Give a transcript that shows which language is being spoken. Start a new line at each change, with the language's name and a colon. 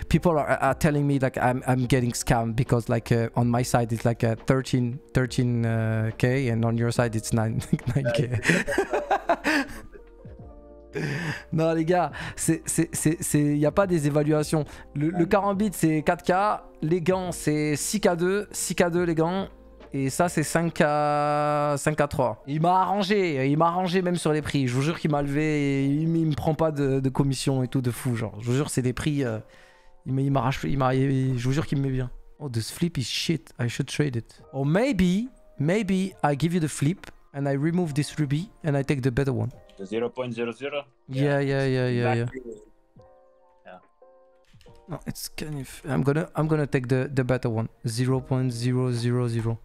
English: People are telling me like I'm getting scammed because like on my side it's like 13k and on your side it's 9k.
French: Non les gars, c'est y a pas des évaluations. Le 40 bits c'est 4K, les gants c'est 6K2 les gants et ça c'est 5K3. Il m'a arrangé même sur les prix. Je vous jure qu'il m'a levé, il me prend pas de commission et tout de fou genre. Je vous jure c'est des prix. Il m'arrache, je vous jure qu'il me met bien.
English: Oh this flip is shit. I should trade it. Or maybe I give you the flip and I remove this ruby and I take the better one. 0.00. Yeah. Yeah. No, it's kind of. I'm gonna take the better one. 0.000.